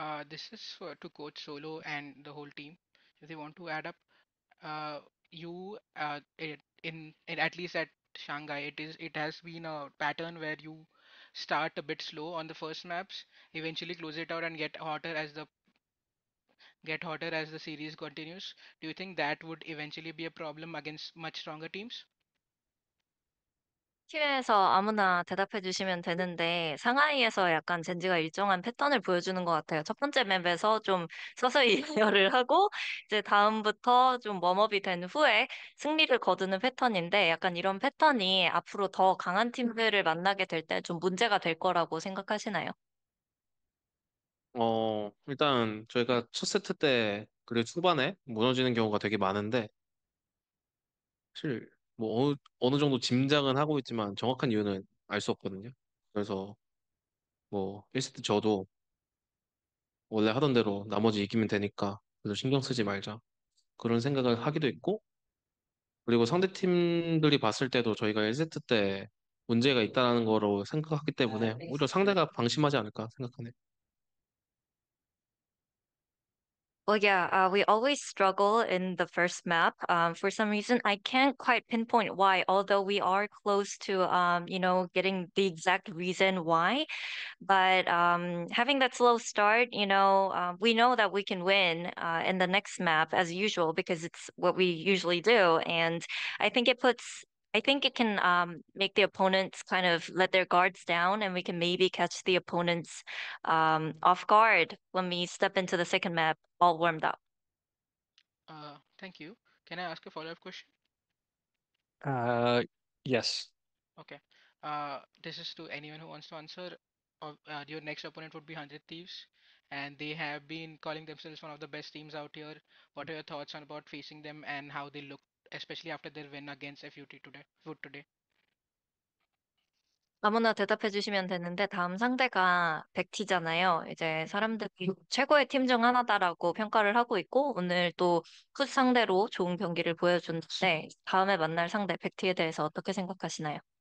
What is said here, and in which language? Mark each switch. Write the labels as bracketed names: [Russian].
[English] This is for to coach Solo and the whole team. If they want to add up, in at least at Shanghai, it has been a pattern where you start a bit slow on the first maps, eventually close it out and get hotter as the series continues. Do you think that would eventually be a problem against much stronger teams? [Korean] 팀에서 아무나 대답해 주시면 되는데 상하이에서 약간 젠지가 일정한 패턴을 보여주는 것 같아요. 첫 번째 맵에서 좀 서서히 예열을 하고 이제 다음부터 좀 웜업이 된 후에 승리를 거두는 패턴인데 약간 이런 패턴이 앞으로 더 강한 팀들을 만나게 될때좀 문제가 될 거라고 생각하시나요? 일단 저희가 첫 세트 때 그리고 초반에 무너지는 경우가 되게 많은데 사실 뭐 어느 정도 짐작은 하고 있지만 정확한 이유는 알수 없거든요. 그래서 뭐 1세트 저도 원래 하던 대로 나머지 이기면 되니까 그래서 신경 쓰지 말자 그런 생각을 하기도 있고, 그리고 상대 팀들이 봤을 때도 저희가 1세트 때 문제가 있다는 거로 생각하기 때문에 오히려 상대가 방심하지 않을까 생각하네요. [English] Well, yeah, we always struggle in the first map. For some reason, I can't quite pinpoint why, although we are close to, getting the exact reason why. But having that slow start, we know that we can win in the next map as usual because it's what we usually do. And I think it can make the opponents kind of let their guards down, and we can maybe catch the opponents off guard when we step into the second map all warmed up. Thank you. Can I ask a follow-up question? Yes. Okay. This is to anyone who wants to answer. Your next opponent would be 100 Thieves, and they have been calling themselves one of the best teams out here. What are your thoughts on about facing them and how they look, especially after their win against FUT today? FUT today. [Korean] 아무나 대답해 주시면 되는데 다음 상대가 백티잖아요. 이제 사람들이 최고의 팀중 하나다라고 평가를 하고 있고 오늘 또 풋 상대로 좋은 경기를 보여줬는데 다음에 만날 상대 백티에 대해서 어떻게 생각하시나요?